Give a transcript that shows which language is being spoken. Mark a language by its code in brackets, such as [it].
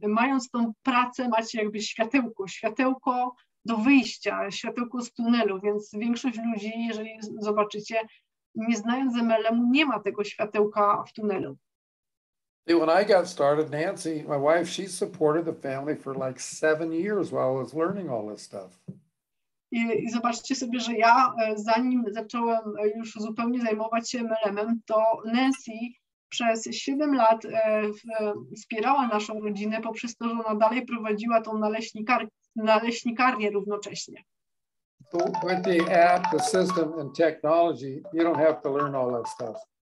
[pl] Mając tą pracę, macie jakby światełko do wyjścia, światełko z tunelu, więc większość ludzi, jeżeli zobaczycie, nie znając MLM-u, nie ma tego światełka w tunelu. [en] When I got started, Nancy, my wife, she supported the family for like 7 years while I was learning all this stuff. [pl] I zobaczcie sobie, że ja zanim zacząłem już zupełnie zajmować się MLM-em, to Nancy przez 7 lat wspierała naszą rodzinę poprzez to, że ona dalej prowadziła tą naleśnikarnię równocześnie. [en] So with the app, the system and technology, you don't have to learn all that stuff.